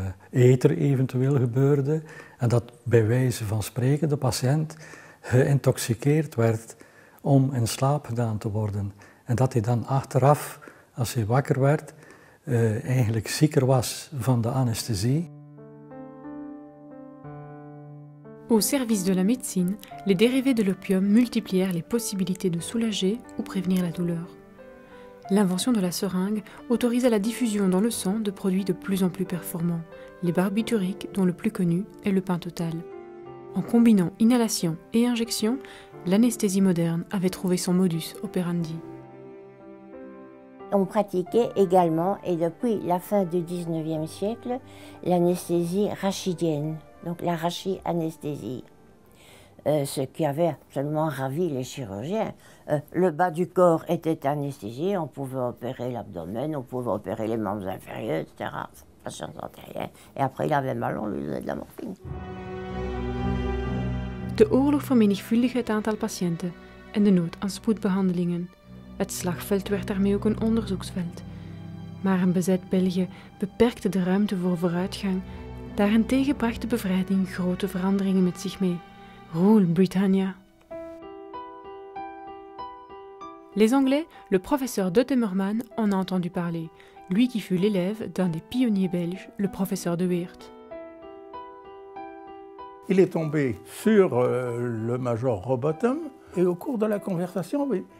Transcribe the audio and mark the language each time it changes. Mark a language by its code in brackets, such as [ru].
[nl] ether eventueel gebeurde. En dat bij wijze van spreken de patiënt geïntoxiceerd werd om in slaap gedaan te worden. En dat hij dan achteraf, als hij wakker werd, eigenlijk zieker was van de anesthesie. [fr] Au service de la médecine, les dérivés de l'opium multiplièrent les possibilités de soulager ou prévenir la douleur. L'invention de la seringue autorisa la diffusion dans le sang de produits de plus en plus performants, les barbituriques, dont le plus connu est le pentotal. En combinant inhalation et injection, l'anesthésie moderne avait trouvé son modus operandi. On pratiquait également, et depuis la fin du 19e siècle, l'anesthésie rachidienne. Donc la rachianesthésie, ce qui avait absolument ravi les chirurgiens. Le bas du corps était anesthésié, on pouvait opérer l'abdomen, on pouvait opérer les membres inférieurs, etc. Pas sans rien. Et après, il avait mal, on lui donnait de la morphine. [nl] De oorlog vermenigvuldigde het aantal patiënten en de nood aan spoedbehandelingen. Het slagveld werd daarmee ook een onderzoeksveld. Maar een bezet België beperkte de ruimte voor vooruitgang. Daarentegen bracht de bevrijding grote veranderingen met zich mee. [en] Rule Britannia. [fr] Les Anglais, le professeur de Temmerman, en a entendu parler. Lui qui fut l'élève d'un des pionniers belges, le professeur de Weert. Il est tombé sur le major Robotham et au cours de la conversation, oui.